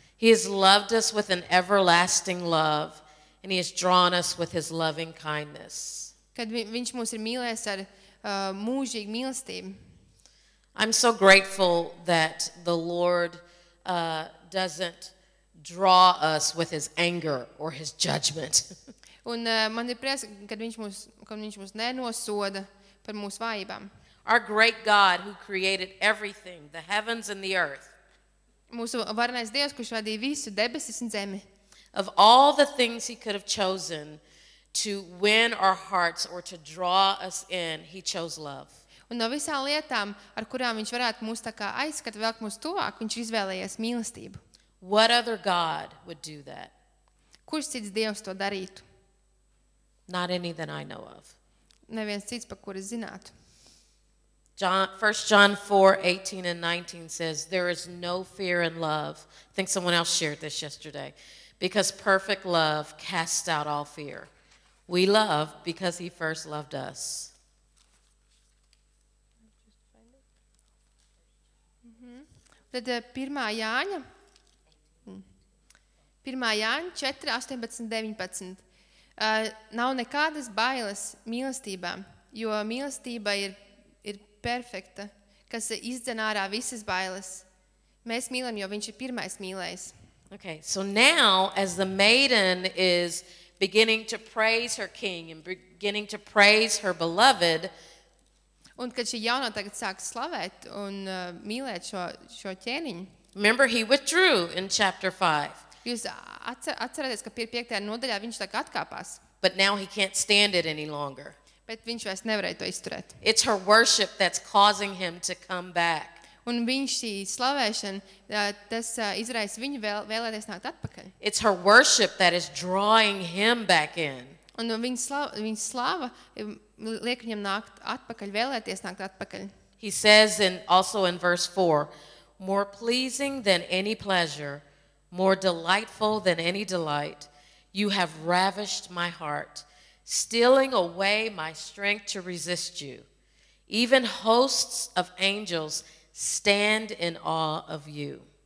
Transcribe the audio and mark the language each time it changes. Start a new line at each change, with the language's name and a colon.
English: He has loved us with an everlasting love, and he has drawn us with his loving kindness.
Latvian: Kad viņš mūs ir mīlējis ar mūžīgu mīlestību.
English: I'm so grateful that the Lord doesn't draw us with his anger or his judgment.
Latvian: Un man ir prieks, kad viņš mūs nenosoda par mūsu vājībām.
English: Our great God who created everything, the heavens and the earth.
Latvian: Mūsu varenais Dievs, kurš radīja visu debesis un zemi.
English: Of all the things he could have chosen to win our hearts or to draw us in, he chose love.
Latvian: Un no visām lietām, ar kurām viņš varētu mūs tā kā aizskat, velk mūs tuvāk, viņš izvēlējies mīlestību.
English: What other God would do that?
Latvian: Kurš cits Dievs to darītu?
English: Not any that I know of.
Latvian: Neviens cits, par kuru zinātu.
English: John, 1 John 4:18 and 19 says, there is no fear in love. I think someone else shared this yesterday. Because perfect love casts out all fear. We love because he first loved us.
Latvian: Tad pirmā Jāņa 4:18-19. Nav nekādas bailes mīlestībā, jo mīlestība ir perfekta, kas izdzen ārā visas bailes. Mēs mīlam, jo viņš ir pirmais mīlējis.
English: Okay, so now as the maiden is beginning to praise her king and beginning to praise her beloved,
Latvian: un kad šī jaunā tagad sāk slavēt un mīlēt šo ķēniņu,
English: remember he withdrew in chapter 5.
Latvian: Jūs atcerieties, ka 5. Nodaļā viņš tā kā atkāpās.
English: But now he can't stand it any longer.
Latvian: Bet viņš vairs nevarēja to izturēt.
English: It's her worship that's causing him to come back.
Latvian: Un viņš šī slavēšana, tas izraisa viņu vēlēties nākt atpakaļ.
English: It's her worship that is drawing him back in.
Latvian: Un viņa slava liek viņam nākt atpakaļ, vēlēties nākt atpakaļ.
English: He says in, also in verse 4, more pleasing than any pleasure, more delightful than any delight, you have ravished my heart, stealing away my strength to resist you. Even hosts of angels stand in awe of you.